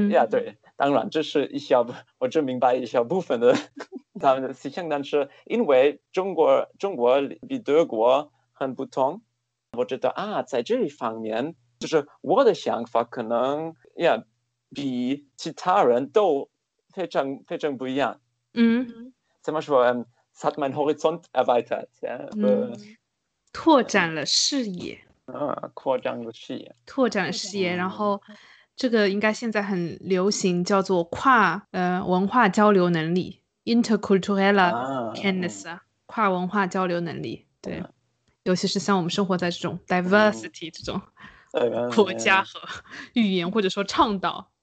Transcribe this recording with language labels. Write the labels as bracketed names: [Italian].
[Chinese] 对，当然这是一小部分，我只明白一小部分的他们的思想，但是因为中国比德国很不同，我觉得在这一方面就是我的想法可能比其他人都非常非常不一样。怎么说， [German] Es hat mein Horizont erweitert. Ja, [Chinese] 拓展了视野。扩张了视野。拓展了视野，然后这个应该现在很流行，叫做跨文化交流能力 ，interculturelle kenntnis 跨文化交流能力。对，尤其是像我们生活在这种 diversity 这种国家和语言，或者说倡导。